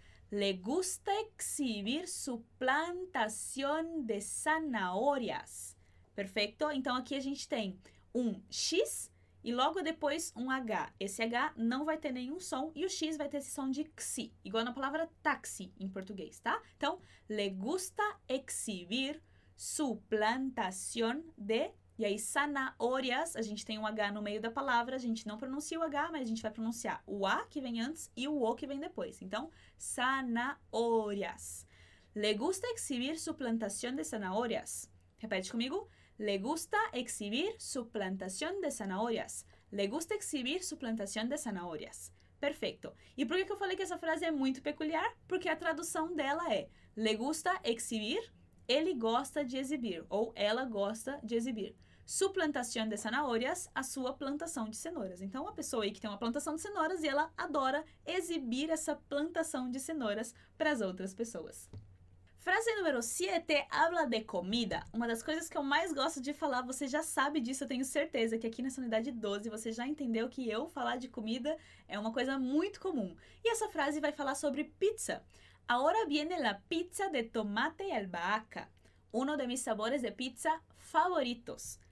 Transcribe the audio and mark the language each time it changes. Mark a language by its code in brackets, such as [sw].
[es] Le gusta exhibir su plantación de zanahorias. [pt] Perfeito? Então, aqui a gente tem um X e logo depois um H. Esse H não vai ter nenhum som e o X vai ter esse som de xi, igual na palavra táxi em português, tá? [es] Então, le gusta exhibir su plantación de... [pt] E aí, zanahorias, a gente tem um H no meio da palavra, a gente não pronuncia o H, mas a gente vai pronunciar o A que vem antes e o O que vem depois. Então, zanahorias. [es] Le gusta exhibir su plantación de zanahorias. [pt] Repete comigo. [es] Le gusta exhibir su plantación de zanahorias. Le gusta exhibir su plantación de zanahorias. [pt] Perfeito. E por que eu falei que essa frase é muito peculiar? Porque a tradução dela é: [es] Le gusta exhibir. [pt] Ele gosta de exibir, ou ela gosta de exibir. [es] Su plantación de zanahorias, [pt] a sua plantação de cenouras. Então, a pessoa aí que tem uma plantação de cenouras e ela adora exibir essa plantação de cenouras para as outras pessoas. [es] Frase número 7, habla de comida. [pt] Uma das coisas que eu mais gosto de falar, você já sabe disso, eu tenho certeza que aqui nessa unidade 12 você já entendeu que eu falar de comida é uma coisa muito comum. E essa frase vai falar sobre pizza. [es] Ahora viene la pizza de tomate y albahaca, uno de mis sabores de pizza favoritos.